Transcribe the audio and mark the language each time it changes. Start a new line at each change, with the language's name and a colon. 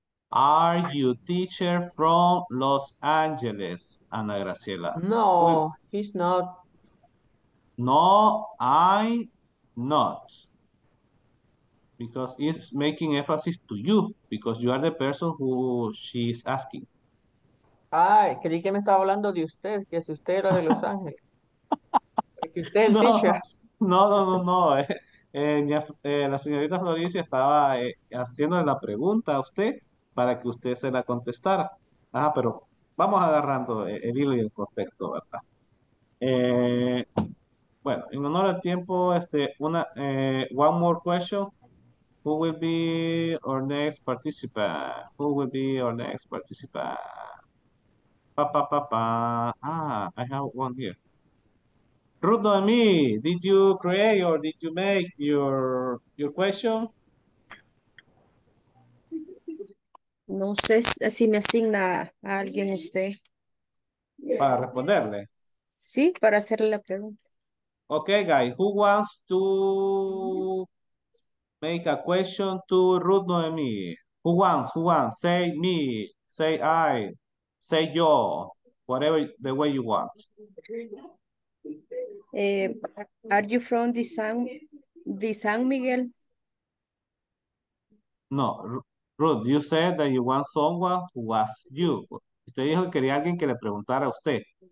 English: Are you teacher from Los Angeles, Ana Graciela? No, he's not. No, I'm not. Because it's making emphasis to you, because you are the person who she's asking.
Spanish: Ay, creí que me estaba hablando de usted, que si usted era de Los Ángeles. Que usted es el teacher. No. La señorita Floricia estaba haciéndole la pregunta a usted para que usted se la contestara. Ah, pero vamos agarrando el hilo y el contexto, ¿verdad? Bueno, en honor al tiempo,
English: one more question. Who will be our next participant? Who will be our next participant? I have one here. Ruth Noemi, did you create or did you make your question?
Spanish: No sé si me asigna a alguien usted. Para responderle. Sí, para hacerle la pregunta.
English: Okay, guys, who wants to make a question to Ruth Noemi? Who wants? Say me, say I. Say yo, whatever the way you want. Are you from San Miguel? No, Ruth, you said that you want someone who was you.
Spanish: Usted dijo que quería alguien que le preguntara a usted.